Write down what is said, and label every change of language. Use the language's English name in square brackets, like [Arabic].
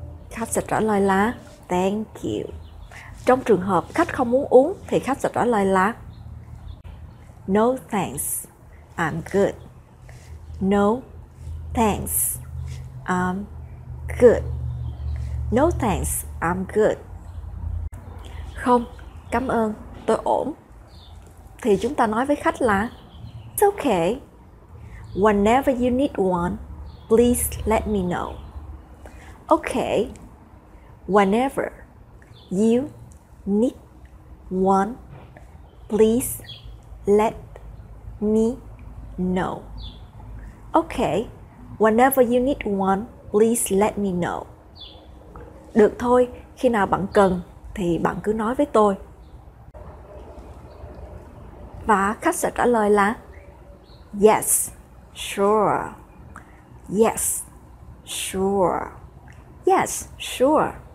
[Vietnamese] Khách sẽ trả lời là [English] Thank you. [Vietnamese] Trong trường hợp khách không muốn uống thì khách sẽ trả lời là [English] No thanks, I'm good. No thanks, I'm good. No thanks, I'm good. [Vietnamese] Không, cảm ơn, tôi ổn. Thì chúng ta nói với khách là [English] It's okay. Whenever you need one, please let me know. Okay. Whenever you need one, please let me know. Okay. Whenever you need one, please let me know. [Vietnamese] Được thôi, khi nào bạn cần thì bạn cứ nói với tôi. Và khách sẽ trả lời là [English] Yes. Sure. Yes. Sure. Yes, sure.